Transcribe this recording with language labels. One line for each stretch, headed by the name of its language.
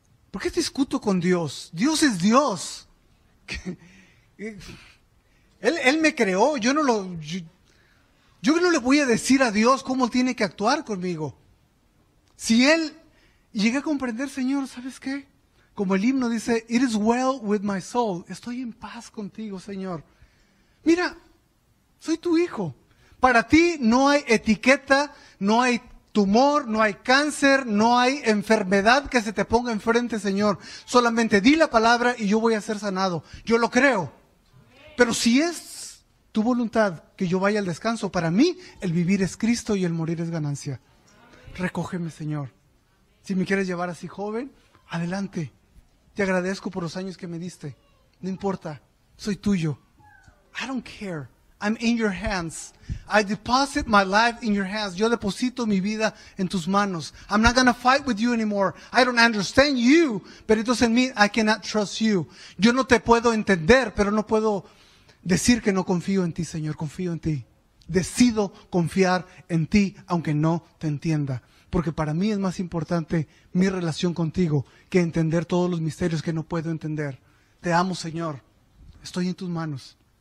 Spanish: ¿Por qué discuto con Dios? Dios es Dios. Él me creó, yo no le voy a decir a Dios cómo tiene que actuar conmigo. Si Él, llegué a comprender, Señor, ¿sabes qué? Como el himno dice,
English: it is well with my soul.
Spanish: Estoy en paz contigo, Señor. Mira, soy tu hijo. Para ti no hay etiqueta, no hay tumor, no hay cáncer, no hay enfermedad que se te ponga enfrente, Señor. Solamente di la palabra y yo voy a ser sanado. Yo lo creo. Pero si es tu voluntad que yo vaya al descanso, para mí el vivir es Cristo y el morir es ganancia. Recógeme, Señor. Si me quieres llevar así joven, adelante. Te agradezco por los años que me diste. No importa, soy tuyo.
English: I don't care. I'm in your hands. I deposit my life in your hands.
Spanish: Yo deposito mi vida en tus manos.
English: I'm not going to fight with you anymore. I don't understand you, but it doesn't mean I cannot trust you.
Spanish: Yo no te puedo entender, pero no puedo decir que no confío en ti, Señor. Confío en ti. Decido confiar en ti, aunque no te entienda. Porque para mí es más importante mi relación contigo que entender todos los misterios que no puedo entender. Te amo, Señor. Estoy en tus manos.